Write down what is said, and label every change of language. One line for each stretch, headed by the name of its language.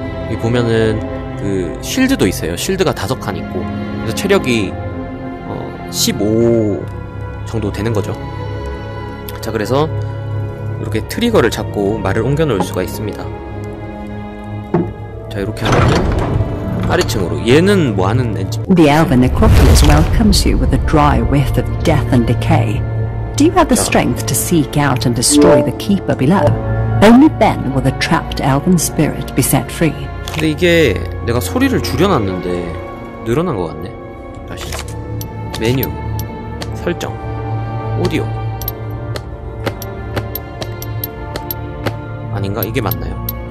Korean: 여기 보면은 그 쉴드도 있어요. 쉴드가 5칸 있고 그래서 체력이 15 정도 되는 거죠. 자 그래서 이렇게 트리거를 잡고 말을 옮겨 놓을 수가 있습니다. 자 이렇게 하면 아래층으로. 얘는 뭐 하는 애지?
English: The Elven Necropolis welcomes you with a dry whiff of death and decay. Do you have the strength to seek out and destroy the keeper below? Only then will the trapped Elven spirit be set free.
Korean: 근데 이게 내가 소리를 줄여놨는데 늘어난 것 같네. 다시 메뉴 설정 오디오 아닌가? 이게 맞나요?